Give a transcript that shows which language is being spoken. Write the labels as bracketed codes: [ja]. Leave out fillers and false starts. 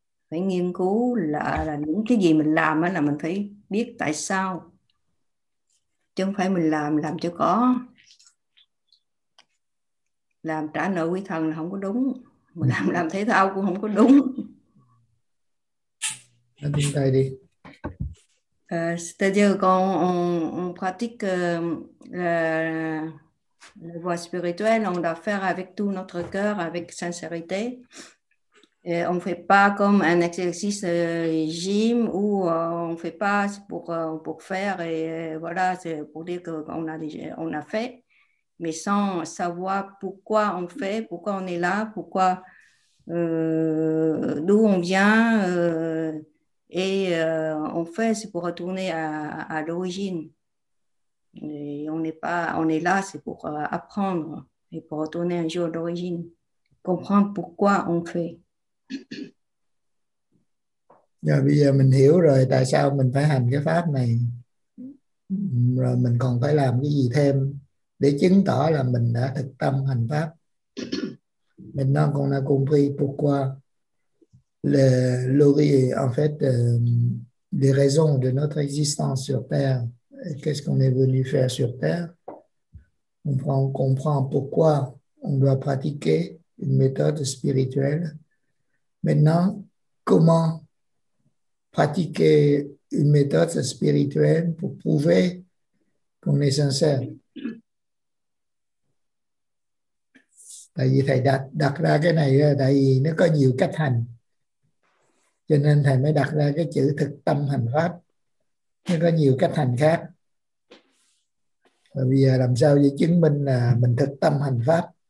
[vi] Phải nghiên cứu là những cái gì mình làm là mình phải biết tại sao, chứ không phải mình làm cho có, làm trả nợ quy thần là không có đúng, mà làm thể thao cũng không có đúng. Anh tin tay đi. Giờ con [fr] pratique la voie spirituelle, on doit faire avec tout notre cœur, avec sincérité. Et on ne fait pas comme un exercice gym où on ne fait pas pour faire et voilà, c'est pour dire qu'on a fait, mais sans savoir pourquoi on fait, pourquoi on est là, pourquoi d'où on vient et on fait, c'est pour retourner à l'origine. Et on n'est pas, on est là, c'est pour apprendre et pour retourner un jour à l'origine, comprendre pourquoi on fait. [vi] Rồi bây giờ mình hiểu rồi tại sao mình phải hành cái pháp này, mình còn phải làm cái gì thêm để chứng tỏ là mình đã thực tâm hành pháp. Mình nói con là cùng phi [fr] pour quoi le logis, en fait les raisons de notre existence sur terre, qu'est-ce qu'on est venu faire sur terre. On comprend pourquoi on doit pratiquer une méthode spirituelle. Maintenant, comment pratiquer une méthode spirituelle pour prouver qu'on est sincère? [vi] Tại vì thầy đặt đặt ra cái này là tại vì nó có nhiều cách hành. Cho nên thầy mới đặt ra cái chữ thực tâm hành pháp. Nó có nhiều cách hành khác. Và bây giờ làm sao để chứng minh là mình thực tâm hành pháp?